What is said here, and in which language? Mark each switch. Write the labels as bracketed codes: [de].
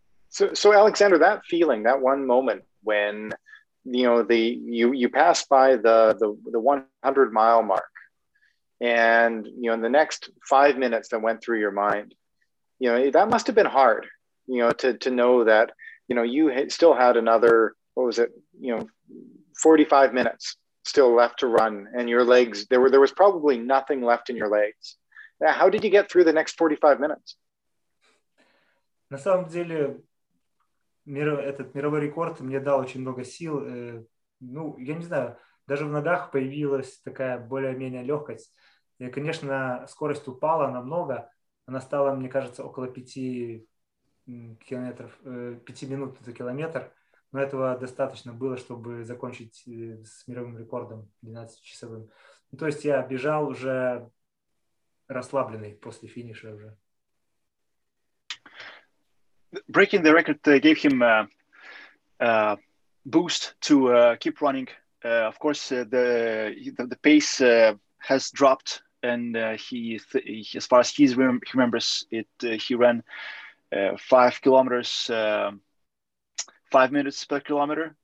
[en] So Alexander, that feeling, that one moment when, you know, you pass by the 100 mile mark, and, you know, in the next 5 minutes that went through your mind, you know, that must have been hard, you know, to know that, you know, you still had another, what was it, you know, 45 minutes still left to run, and your legs, there was probably nothing left in your legs. Now, how did you get through the next 45 minutes? [ru] На самом деле, этот мировой рекорд мне дал очень много сил. Ну, я не знаю, даже в ногах появилась такая более-менее легкость. И, конечно, скорость упала намного. Она стала, мне кажется, около 5 минут за километр. Но этого достаточно было, чтобы закончить с мировым рекордом 12-часовым. Ну, то есть я бежал уже расслабленный после финиша уже. [en] Breaking the record gave him a boost to keep running. Of course, the pace has dropped, and he as far as he remembers it, he ran 5 kilometers, 5 minutes per kilometer.